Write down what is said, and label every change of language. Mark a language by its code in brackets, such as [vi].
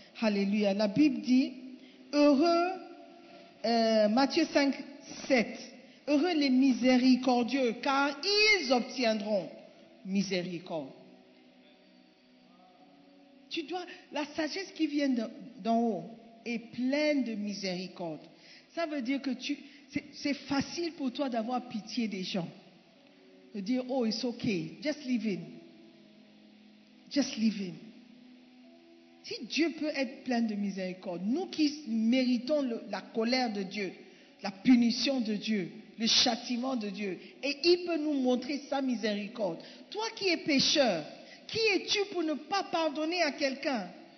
[fr] Alléluia. La Bible dit, heureux, Matthieu 5, 7, heureux les miséricordieux, car ils obtiendront miséricorde. Tu dois, la sagesse qui vient d'en haut est pleine de miséricorde. Ça veut dire que c'est facile pour toi d'avoir pitié des gens. De dire, [en] oh, it's okay, just leave it. Just leave it. [fr] Si Dieu peut être plein de miséricorde, nous qui méritons la colère de Dieu, la punition de Dieu, le châtiment de Dieu, et il peut nous montrer sa miséricorde. Toi qui es pécheur, qui es-tu pour ne pas pardonner à quelqu'un?